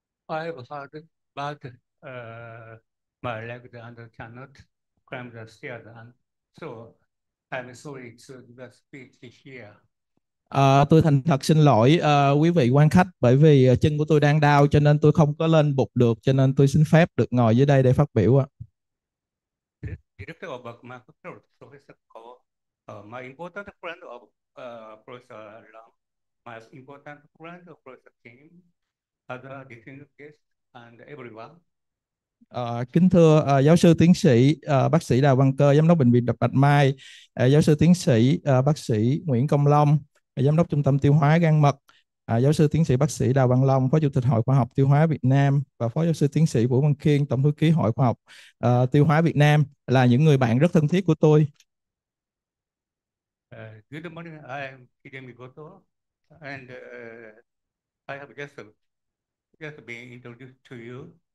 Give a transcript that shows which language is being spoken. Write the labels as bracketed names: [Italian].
[English] I have heard about my leg and cannot climb the stairs, and so I'm sorry to give a speech here. [Vietnamese] Tôi thành thật xin lỗi quý vị quan khách, bởi vì chân của tôi đang đau cho nên tôi không có lên bục được, cho nên tôi xin phép được ngồi dưới đây để phát biểu ạ. [English] Director of my hospital, Professor Ko, my important friend of Professor Long, my important friend of Professor Kim, other distinguished guests and everyone. [Vietnamese] Kính thưa giáo sư tiến sĩ bác sĩ Đào Văn Cơ, giám đốc Bệnh viện Bạch Mai, giáo sư tiến sĩ bác sĩ Nguyễn Công Long, giám đốc Trung tâm Tiêu hóa Gan Mật, giáo sư tiến sĩ bác sĩ Đào Văn Long, phó chủ tịch Hội Khoa học Tiêu hóa Việt Nam và phó giáo sư tiến sĩ Vũ Văn Khiên, tổng thư ký Hội Khoa học Tiêu hóa Việt Nam, là những người bạn rất thân thiết của tôi. [English] Good morning, I am Hidemi Goto, and I have just been introduced to you.